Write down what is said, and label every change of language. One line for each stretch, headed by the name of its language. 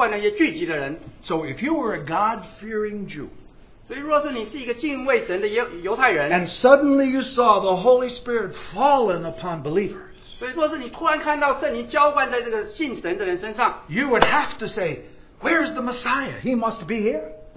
Chinese: 所以在约珥书所描述的，这就是说最后末后的时候，在神要审判之前，圣灵就在这里浇灌那些聚集的人。
English: So if you were a God-fearing Jew,
Chinese: 所以若是你是一个敬畏神的犹太人,
English: and suddenly you saw the Holy Spirit fallen upon believers,
Chinese: 所以若是你突然看到圣灵浇灌在这个信神的人身上,
English: you would have to say, where's the Messiah? He must be here.